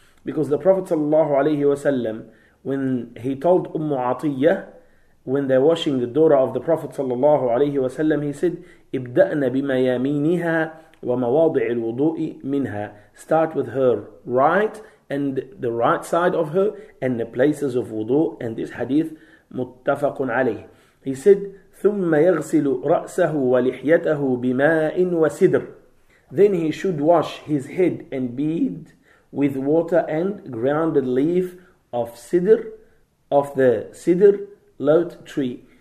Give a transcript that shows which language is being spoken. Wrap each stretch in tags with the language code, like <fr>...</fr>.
<en>Because the Prophet ﷺ, when he told Ummu Atiyah, when they're washing the daughter of the Prophet ﷺ, he said,</en> <ar>ابْدَأْنَا بِمَا يَمِينِهَا وَمَوَاضِعِ الْوُضُوءِ مِنْهَا.</ar> <en>Start with her right and the right side of her and the places of wudu. And this hadith,</en> <ar>مُتَّفَقٌ عَلَيْهِ.</ar> <en>He said,</en> <ar>ثُمَّ يَغْسِلُ رَأْسَهُ وَلِحْيَتَهُ بِمَاءٍ وَسِدْرٍ.</ar> <en>Then he should wash his head and beard with water and grounded leaf of sidr, of the sidr lot tree.</en>